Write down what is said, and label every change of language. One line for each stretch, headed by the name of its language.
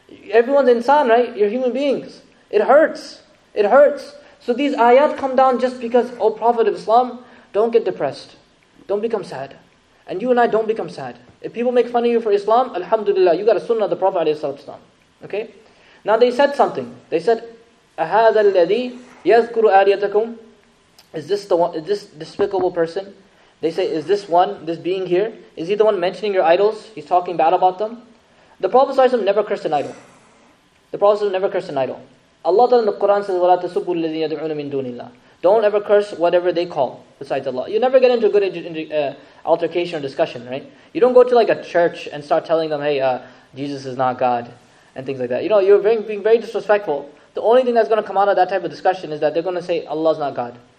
English: Everyone's insan, right? You're human beings. It hurts. It hurts. So these ayat come down just because, O Prophet of Islam, don't get depressed. Don't become sad. And you and I don't become sad. If people make fun of you for Islam, alhamdulillah, you got a sunnah of the Prophet ﷺ. Okay? Now they said something. They said,
Arabic: أَهَذَا الَّذِي يَذْكُرُ آلِيَتَكُمْ.
English: Is this the one, is this despicable person? They say, is this one, this being here? Is he the one mentioning your idols? He's talking bad about them? The Prophet ﷺ never cursed an idol. The Prophet ﷺ never cursed an idol. Allah in the Quran says,
Arabic: وَلَا تَسُبُّوا الَّذِينَ يَدْعُونَ مِن دُونِ اللَّهِ.
English: Don't ever curse whatever they call besides Allah. You never get into a good altercation or discussion, right? You don't go to like a church and start telling them, hey, Jesus is not God and things like that. You know, you're being very disrespectful. The only thing that's going to come out of that type of discussion is that they're going to say Allah is not God.